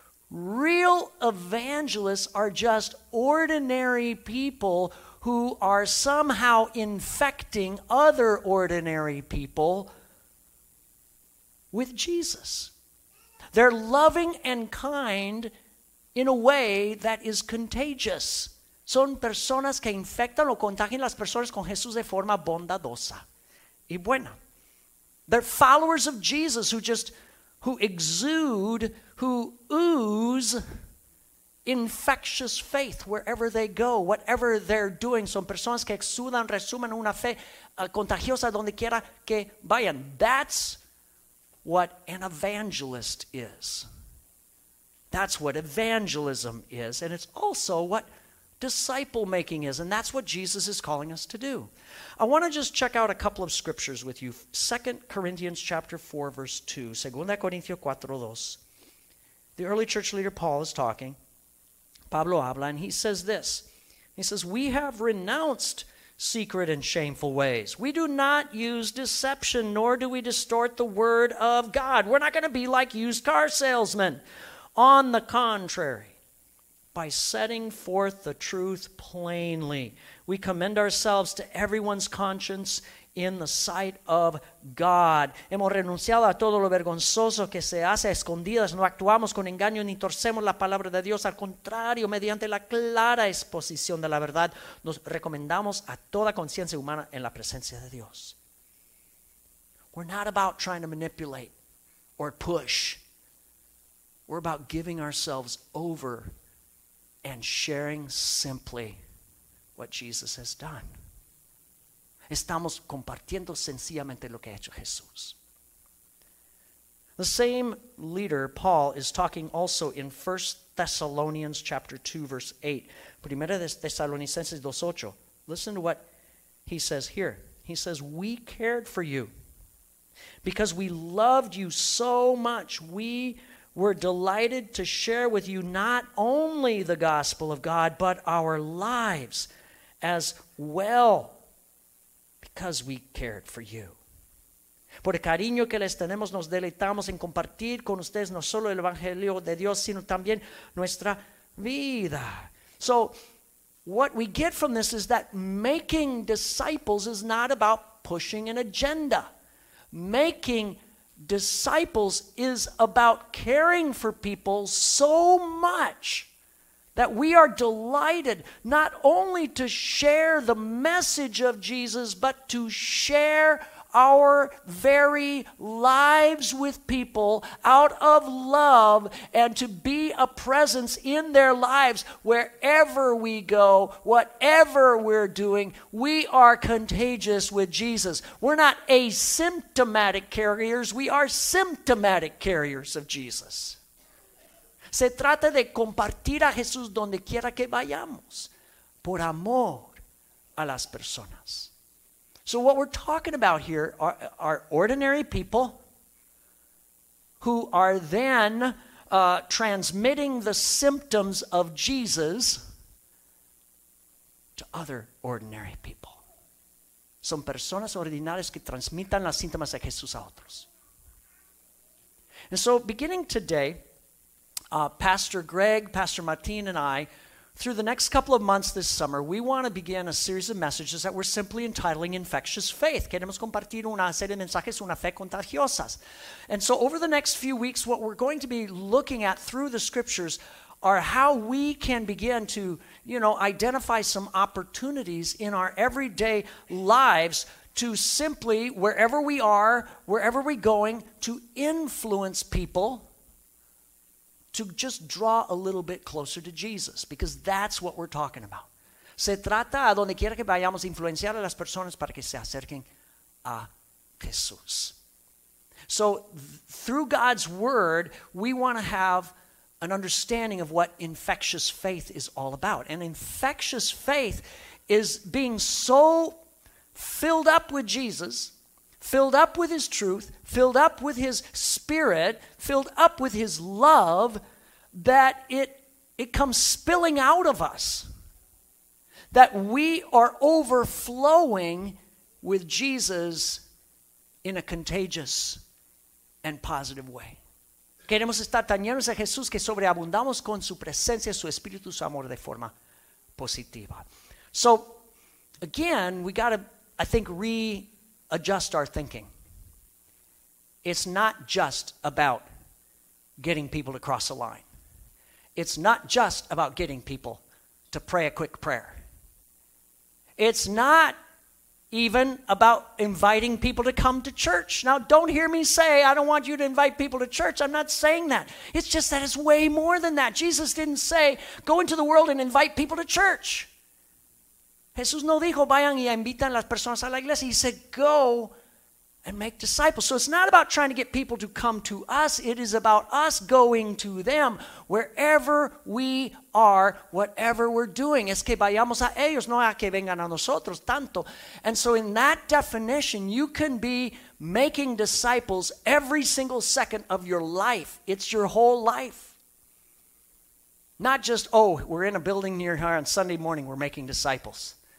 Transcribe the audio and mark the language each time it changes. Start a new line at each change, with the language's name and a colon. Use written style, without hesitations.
English: Real evangelists are just ordinary people who are somehow infecting other ordinary people with Jesus. They're loving and kind in a way that is contagious.
Spanish: Son personas que infectan o contagian las personas con Jesús de forma bondadosa y buena.
English: They're followers of Jesus who ooze infectious faith wherever they go, whatever they're doing.
Spanish: Son personas que exudan, resumen una fe contagiosa donde quiera que vayan.
English: That's what an evangelist is. That's what evangelism is. And it's also what disciple making is. And that's what Jesus is calling us to do. I want to just check out a couple of scriptures with you. 2 Corinthians chapter 4, verse 2.
Spanish: Segunda Corintios 4, 2.
English: The early church leader Paul is talking.
Spanish: Pablo habla,
English: and he says this. He says, we have renounced secret and shameful ways. We do not use deception, nor do we distort the word of God. We're not going to be like used car salesmen. On the contrary, by setting forth the truth plainly, we commend ourselves to everyone's conscience in the sight of God.
Spanish: Hemos renunciado a todo lo vergonzoso que se hace a escondidas. No actuamos con engaño ni torcemos la palabra de Dios. Al contrario, mediante la clara exposición de la verdad, nos recomendamos a toda conciencia humana en la presencia de Dios.
English: We're not about trying to manipulate or push. We're about giving ourselves over and sharing simply what Jesus has done.
Spanish: Estamos compartiendo sencillamente lo que ha hecho Jesús.
English: The same leader, Paul, is talking also in 1 Thessalonians chapter 2, verse 8.
Spanish: Primera de Tesalonicenses 2:8.
English: Listen to what he says here. He says, we cared for you because we loved you so much. We were delighted to share with you not only the gospel of God, but our lives as well. Because we cared for you.
Spanish: Por el cariño que les tenemos, nos deleitamos en compartir con ustedes no solo el evangelio de Dios, sino también nuestra vida.
English: So, what we get from this is that making disciples is not about pushing an agenda. Making disciples is about caring for people so much that we are delighted not only to share the message of Jesus, but to share our very lives with people out of love and to be a presence in their lives wherever we go, whatever we're doing. We are contagious with Jesus. We're not asymptomatic carriers. We are symptomatic carriers of Jesus.
Spanish: Se trata de compartir a Jesús donde quiera que vayamos, por amor a las personas.
English: So what we're talking about here are ordinary people who are then transmitting the symptoms of Jesus to other ordinary people.
Spanish: Son personas ordinarias que transmitan los síntomas de Jesús a otros.
English: And so beginning today, Pastor Greg, Pastor Martin, and I, through the next couple of months this summer, we want to begin a series of messages that we're simply entitling Infectious Faith.
Spanish: Queremos compartir una serie de mensajes, una fe contagiosa.
English: And so over the next few weeks, what we're going to be looking at through the scriptures are how we can begin to, you know, identify some opportunities in our everyday lives to simply, wherever we are, wherever we're going, to influence people to just draw a little bit closer to Jesus, because that's what we're talking about.
Spanish: Se trata a donde quiera que vayamos influenciar a las personas para que se acerquen a Jesús.
English: So through God's word, we want to have an understanding of what infectious faith is all about. And infectious faith is being so filled up with Jesus, filled up with his truth, filled up with his spirit, filled up with his love, that it comes spilling out of us. That we are overflowing with Jesus in a contagious and positive way.
Spanish: Queremos estar tan llenos de Jesús que sobreabundamos con su presencia, su espíritu, su amor de forma positiva.
English: So, again, we got to, I think, readjust our thinking. It's not just about getting people to cross a line. It's not just about getting people to pray a quick prayer. It's not even about inviting people to come to church. Now, don't hear me say, I don't want you to invite people to church. I'm not saying that. It's just that it's way more than that. Jesus didn't say, go into the world and invite people to church.
Spanish: Jesús no dijo, vayan y invitan las personas a la iglesia.
English: He said, go and make disciples. So it's not about trying to get people to come to us. It is about us going to them wherever we are, whatever we're doing.
Spanish: Es que vayamos a ellos, no a que vengan a nosotros tanto.
English: And so in that definition, you can be making disciples every single second of your life. It's your whole life. Not just, oh, we're in a building near here on Sunday morning, we're making disciples.